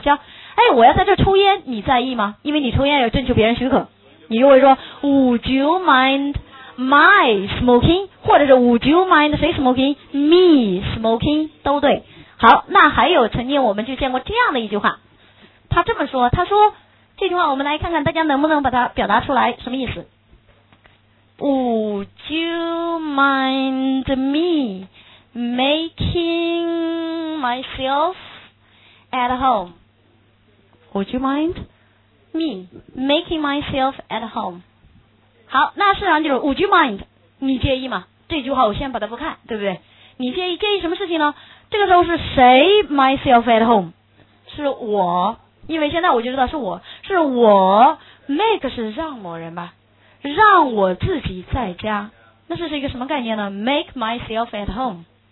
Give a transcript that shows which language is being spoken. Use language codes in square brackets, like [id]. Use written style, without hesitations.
[zh] 像哎，我要在这抽烟你在意吗，因为你抽烟要征求别人许可，你就会说 [en] would you mindMy smoking， [zh] 或者是 Would you mind 谁 smoking， [en] Me smoking [zh] 都对。好，那还有曾经我们就见过这样的一句话，他这么说，他说这句话我们来看看大家能不能把它表达出来什么意思。 [en] Would you mind me making myself at home， Would you mind me making myself at home。 [zh] 好，那事实上就是 Would you mind， 你介意吗，这句话我先把它不看对不对，你介意，介意什么事情呢，这个时候是谁 myself at home， 是我，因为现在我就知道是我，是我 make 是让某人吧，让我自己在家，那这是一个什么概念呢， [en] make myself at home，